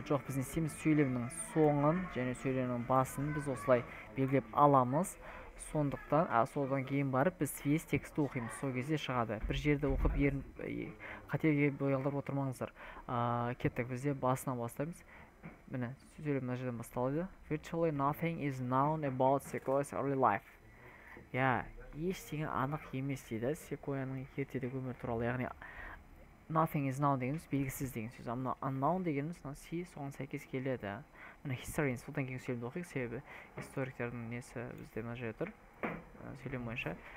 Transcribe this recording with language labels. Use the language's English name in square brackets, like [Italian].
[Kazakh] Жоқ, біз не істейміз, сөйлемнің соңын және сөйлемнің басын біз осылай белгілеп аламыз. Сондықтан содан кейін барып біз весь текстті оқимыз, сол кезде шығады. Бір жерді оқып қателге боялдырып отырмаңыздар. Кеттік, бізде басынан бастаймыз. Міне, сөйлем мына жерден басталады. [English] Virtually nothing is known about Sequoia's early life. [Kazakh] Иә, ештеңе анық емес дейді Sequoia-ның ертедегі өмірі туралы. Яғни [English] nothing is known [Kazakh] дегеніміз белгісіз деген сөз. Ал мына unknown дегеніміз мына си соған сәйкес келеді. Міне historians, одан кейін сөйлемді оқиық, себебі историктердің несі бізде мына жерде тұр сөйлем бойынша.